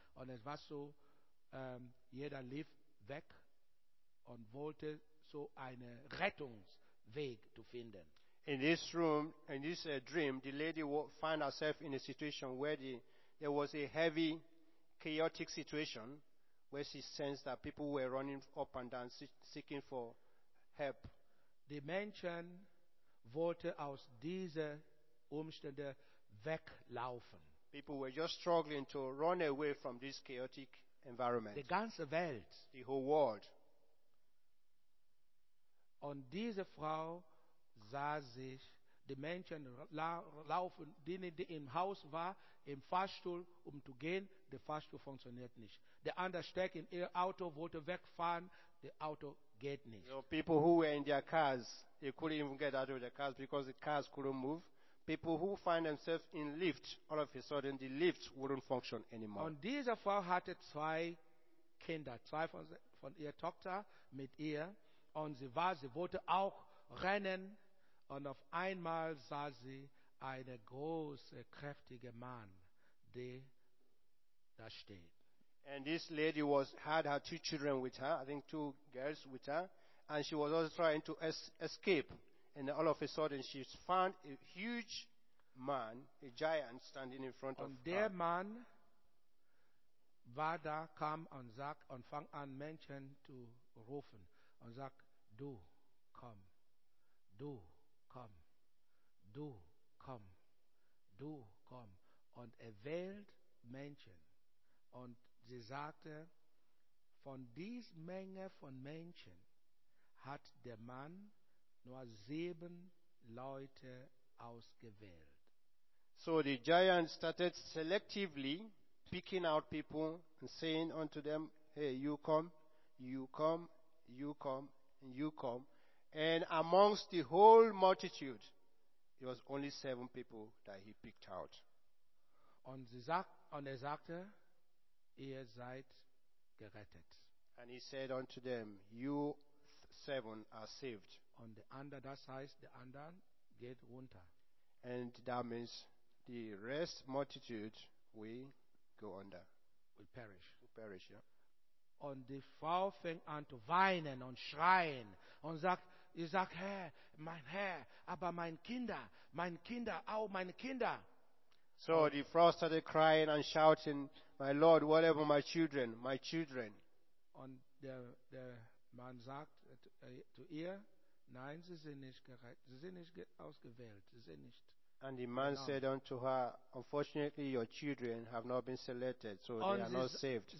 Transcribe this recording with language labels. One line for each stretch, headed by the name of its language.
German: Und es war so, jeder lief weg und wollte so einen Rettungsweg zu finden.
English: In this room, in this dream, the lady found herself in a situation where there was a heavy, chaotic situation, where she sensed that people were running up and down seeking for help.
German: Die Menschen wollten aus diesen Umständen weglaufen.
English: People were just struggling to run away from this chaotic environment.
German: Die ganze Welt.
English: The whole world.
German: Und diese Frau sah sich die Menschen laufen, denen die im Haus war, im Fahrstuhl, um zu gehen, der Fahrstuhl funktioniert nicht. Der andere steckt in ihr Auto, wollte wegfahren, das Auto geht nicht.
English: So people who were in their cars, they couldn't even get out of their cars because the cars couldn't move. People who find themselves in lift, all of a sudden the lift wouldn't function anymore.
German: Und diese Frau hatte zwei Kinder, zwei von ihrer Tochter mit ihr, und sie wollte auch rennen, und auf einmal sah sie einen großen, kräftigen Mann, der da steht.
English: And this lady had her two children with her, I think two girls with her, and she was also trying to escape. And all of a sudden, she found a huge man, a giant, standing in front
German: und
English: of
German: der
English: her.
German: Der Mann war da, kam und sagt, und fang an, Menschen zu rufen, und sagt, du, komm, du, komm, du, komm, du, komm. Und er wählt Menschen. Und sie sagte, von dieser Menge von Menschen hat der Mann nur 7 Leute ausgewählt.
English: So the giant started selectively picking out people and saying unto them, hey, you come, you come, you come, and you come. And amongst the whole multitude, it was only 7 people that he picked out.
German: Und er sagte, ihr seid gerettet.
English: And he said unto them, you 7 are saved.
German: Und der andere, das heißt, der andere geht runter.
English: And that means the rest multitude will go under. Will perish. Will perish, yeah.
German: Und die Frau fängt an zu weinen und schreien und sagt, ich sag, Herr, mein Herr, aber mein Kinder, auch meine Kinder.
English: So the Frau started crying and shouting, my Lord, whatever my children, my children.
German: Und der Mann sagt zu ihr, nein, sie sind nicht gerecht, sie sind nicht ausgewählt, sie sind nicht.
English: And the man said unto her, unfortunately, your children have not been selected, so they are not saved.